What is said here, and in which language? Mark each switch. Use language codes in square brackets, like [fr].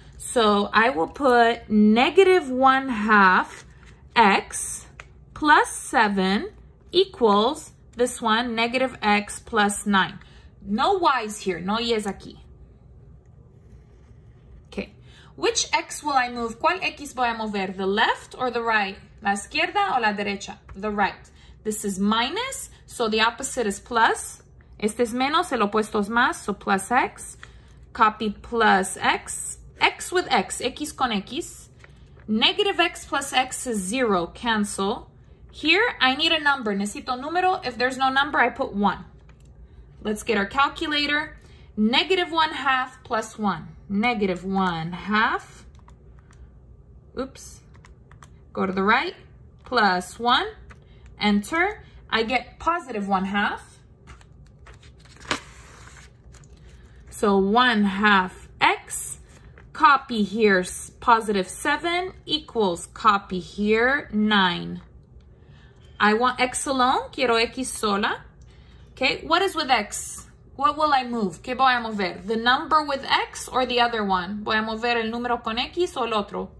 [en] So, I will put negative 1 half X plus 7 equals this one, negative X plus 9. No Y's here, no Y's aquí. Okay, which X will I move? [es] ¿Cuál X voy a mover? [en] The left or the right? [es] La izquierda o la derecha? [en] The right. This is minus, so the opposite is plus. [es] Este es menos, el opuesto es más, [en] so plus X. Copy plus X. X with X, [es] X con X. [en] Negative X plus X is 0, cancel. Here, I need a number. [es] Necesito número. [en] If there's no number, I put 1. Let's get our calculator. Negative 1 half plus 1. Negative 1 half. Oops. Go to the right. Plus 1. Enter. I get positive 1 half. So 1 half X. Copy here positive 7 equals copy here 9. I want X alone. [es] Quiero X sola. [en] Okay. What is with X? What will I move? [es] ¿Qué voy a mover? [en] The number with X or the other one? [es] ¿Voy a mover el número con X o el otro?